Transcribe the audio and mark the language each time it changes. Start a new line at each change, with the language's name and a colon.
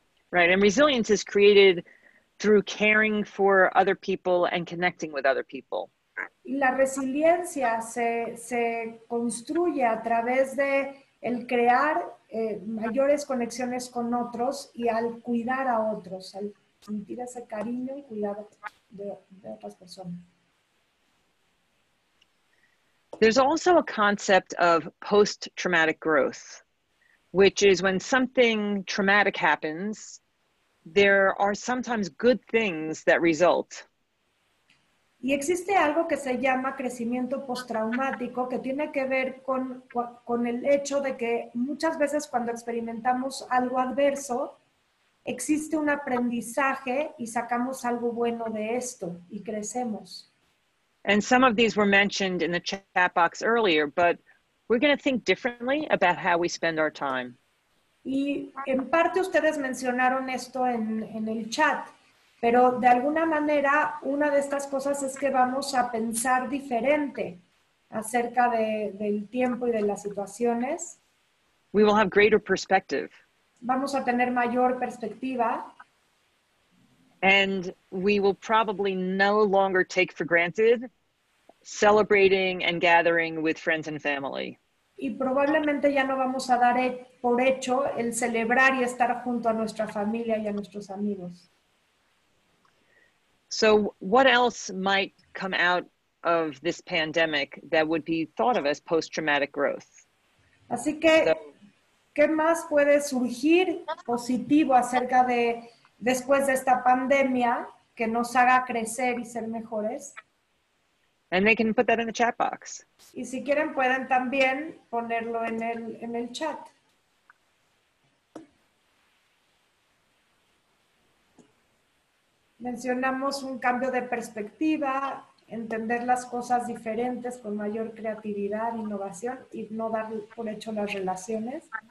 English: Right, and resilience is created through caring for other people and connecting with other people.
Spanish: La resiliencia se construye a través de el crear mayores conexiones con otros y al cuidar a otros, al sentir ese cariño y cuidado de otras personas.
English: There's also a concept of post-traumatic growth, which is when something traumatic happens, there are sometimes good things that result.
Spanish: Y existe algo que se llama crecimiento postraumático, que tiene que ver con el hecho de que muchas veces cuando experimentamos algo adverso, existe un aprendizaje y sacamos algo bueno de esto y crecemos.
English: And some of these were mentioned in the chat box earlier, but we're going to think differently about how we spend our time.
Spanish: Y en parte ustedes mencionaron esto en el chat. Pero de alguna manera, una de estas cosas es que vamos a pensar diferente acerca del tiempo y de las situaciones.
English: We will have greater perspective.
Spanish: Vamos a tener mayor perspectiva.
English: And we will probably no longer take for granted celebrating and gathering with friends and family.
Spanish: Y probablemente ya no vamos a dar por hecho el celebrar y estar junto a nuestra familia y a nuestros amigos.
English: So what else might come out of this pandemic that would be thought of as post-traumatic growth?
Spanish: Así que, ¿qué más puede surgir positivo acerca de después de esta pandemia que nos haga crecer y ser mejores?
English: And they can put that in the chat box.
Spanish: Y si quieren pueden también ponerlo en el chat. Mencionamos un cambio de perspectiva, entender las cosas diferentes con mayor creatividad, innovación y no dar por hecho las relaciones.